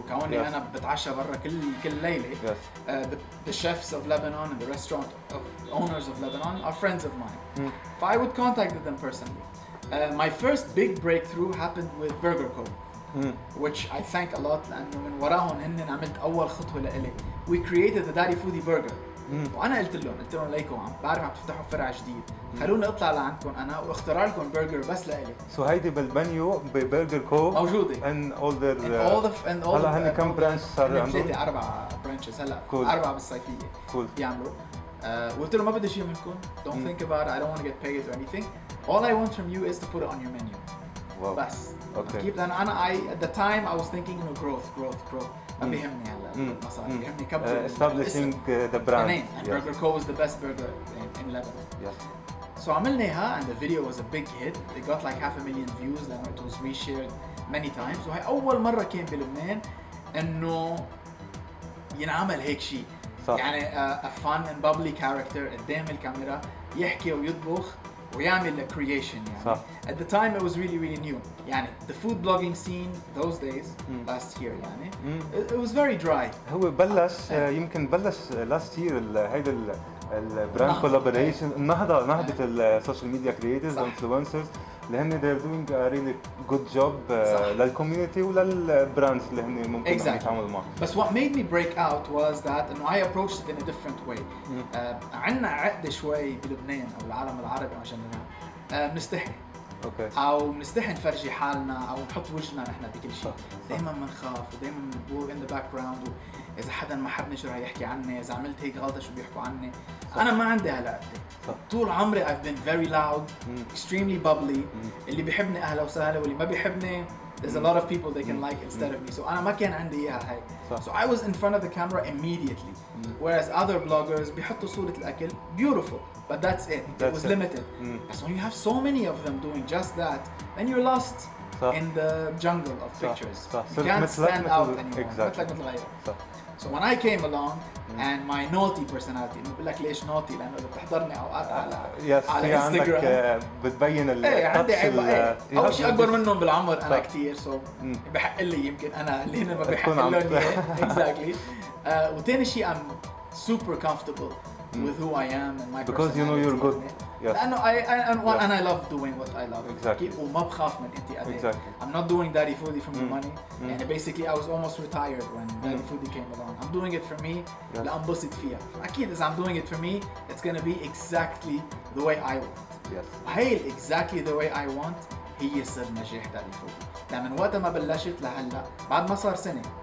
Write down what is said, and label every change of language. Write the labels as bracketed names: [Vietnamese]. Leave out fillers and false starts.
[English] Kauni, I'm a big foodie. The chefs of Lebanon and the restaurant of owners of Lebanon are friends of mine. So I would contact them personally. My first big breakthrough happened with Burger Co. Which I thank a lot. And from behind them, I made the first step for them. We created the Daddy Foodie Burger. [Arabic] وانا قلت لهم ليكم عم بعرف عم تفتحوا فرع جديد، خلوني اطلع لعندكم انا واختار لكم برجر بس لإلي. سو هيدي بالمنيو ببرجر كو موجوده ان اول ذا ان اول. هلا هن كم برانش صار عندهم؟ 3-4 برانشز هلا. [English] cool. [Arabic] 4 بالصيفيه. [English] cool. [Arabic] بيعملوا. قلت لهم ما بدي شيء منكم، [English] don't think about it. I don't want to get paid or anything. All I want from you is to put it on your menu. Wow. [Arabic] بس. [English] Okay. Okay. لانه انا at the time I was thinking انه growth. Establishing the brand. Burger Co was the best burger in Lebanon. So Amelneha and the video was a big hit. They got like 500,000 views. Then it was reshared many times. [Arabic] So I أول مرة كان بلبنان إنه ينعمل هيك شيء. [English] يعني a fun and bubbly character [Arabic] قدام الكاميرا يحكي ويطبخ ويعمل [English] the creation. At the time it was really really new. يعني the food blogging scene those days last year يعني it was very dry. [Arabic] هو بلش يمكن بلش last year هيدا ال brand collaboration نهضة ال social media creators influencers اللي هني [English] they're doing a really good job [Arabic] لل community ولل brands اللي هني ممكن يتعامل معه. [English] بس what made me break out was that إنه I approached it in a different way. [Arabic] عنا عقدة شوي بلبنان أو العالم العربي عشان إنه مستحي. [English] Okay. [Arabic] أو مستحي نفرجي حالنا أو نحط وجهنا نحن بكل شيء. دائما منخاف ودائما منبور [English] in the background [Arabic] إذا حدا ما حبني شو رح يحكي عني، إذا عملت هيك غلطة شو بيحكوا عني. أنا ما عندي هالعقدة. طول عمري [English] I've been very loud, extremely bubbly. [Arabic] اللي بيحبني أهلا وسهلا، واللي ما بيحبني [English] there's a lot of people they can like instead of me. [Arabic] So أنا ما كان عندي إياها هاي. [English] So I was in front of the camera immediately. Whereas other bloggers [Arabic] بيحطوا صورة الأكل [English] beautiful. But that's it. It was limited. So when you have so many of them doing just that, then you're lost in the jungle of pictures. You can't stand out anymore. Exactly. So when I came along and my naughty personality, I'm like, [Arabic] ليش [English] naughty? [Arabic] لأنه بتحضرني أوقات على Instagram. بتبين ال. إيه عندي عيب. أول شيء أكبر منهم بالعمر أنا كتير. So بحق لي يمكن أنا اللي هنا ما بحقلوني. [English] Exactly. [Arabic] وتاني شيء [English] I'm super comfortable. With who I am and my because you know you're good. And I love doing what I love. Exactly. [Arabic] وما بخاف من انتي [English] أدي. Exactly. I'm not doing Daddy Foodie for the money. And basically I was almost retired when Daddy Foodie came along. I'm doing it for me. Yes. [Arabic] لأنبسط فيها. أكيد إذا [English] I'm doing it for me, it's gonna be exactly the way I want. Yes. [Arabic] هاي [English] exactly the way I want [Arabic] هي سر نجاح Daddy Foodie. لما من وقت ما بلشت لهلا بعد ما صار سنة.